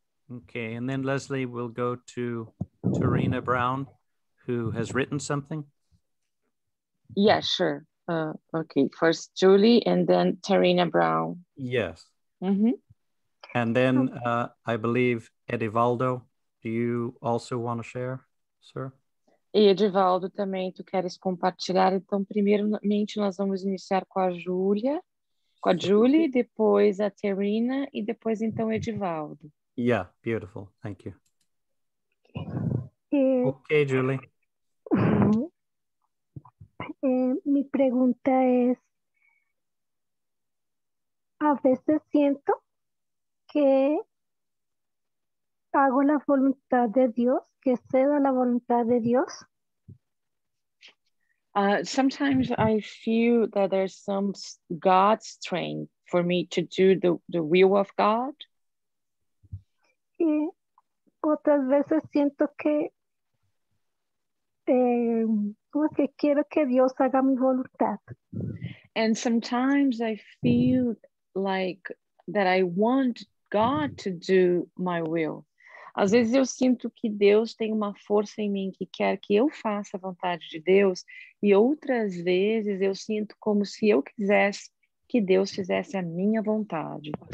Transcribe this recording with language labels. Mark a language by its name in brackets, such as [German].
[English] Okay, and then Leslie will go to Tarina Brown, who has written something. Yeah, sure. Okay, first Julie and then Tarina Brown. Yes. Mm-hmm. And then I believe Edivaldo, do you also want to share, sir? [Portuguese] E Edivaldo também, tu queres compartilhar? Então, primeiramente, nós vamos iniciar com a Júlia, com a Julie, depois a Tarina e depois, então, Edivaldo. [English] Yeah, beautiful. Thank you. Okay, Julie. [Spanish] Mi pregunta es, a veces siento que hago la voluntad de Dios, que cedo la voluntad de Dios. [English] Sometimes I feel that there's some God's strength for me to do the will of God. [Spanish] Y otras veces siento que porque quiero que Dios haga mi voluntad. [English] And sometimes I feel like that I want God to do my will. [Portuguese] Às vezes eu sinto que Deus tem uma força em mim que quer que eu faça a vontade de Deus, e outras vezes eu sinto como se eu quisesse que Deus fizesse a minha vontade.